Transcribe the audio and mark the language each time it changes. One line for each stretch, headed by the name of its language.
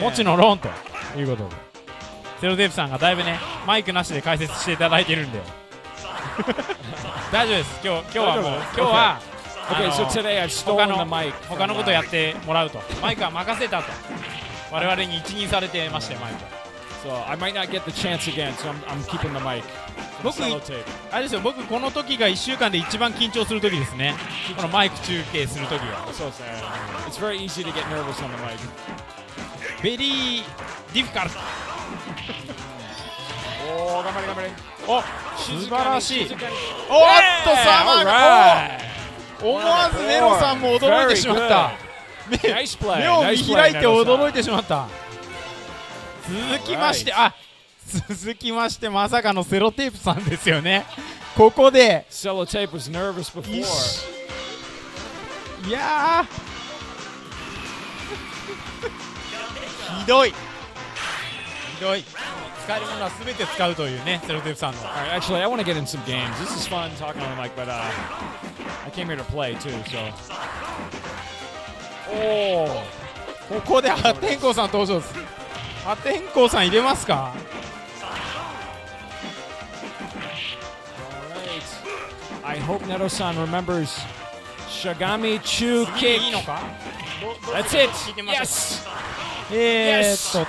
Japanese: もちろんローンということでゼロデーブさんがだいぶねマイクなしで解説していただいてるんで大丈夫です今日はもう今日は
English: okay. Okay, so today I've stolen the mic
Japanese: 他のことやってもらうとマイクは任せたと我々に一任されてましてマイク
English: So I might not get the chance again So I'm keeping the mic
Japanese: 僕あれですよ僕この時が1週間で一番緊張する時ですねこのマイク中継する時はそうですね
English: It's very easy to get nervous on the mic Very difficult
Japanese: おー、頑張れ頑張れお、素晴らしいおー、っと、サーマン、
English: right.
Japanese: 思わずネロさんも驚いてしまった
English: nice play.
Japanese: 目を見開いて驚いてしまった続きまして、right. あ、続きましてまさかのセロテープさんですよねここで
English: セロテープ was nervous before
Japanese: いやひどい
English: Alright, actually, I want to get in some games. This is fun talking on the mic, but I came here to play too, so. Oh!
Japanese: ここで破天荒さん登場です。破天荒さん入れますか?
English: Alright. I hope Nero-san remembers Shigami Chu Kick.
Japanese: いいのか?
English: That's it! Yes!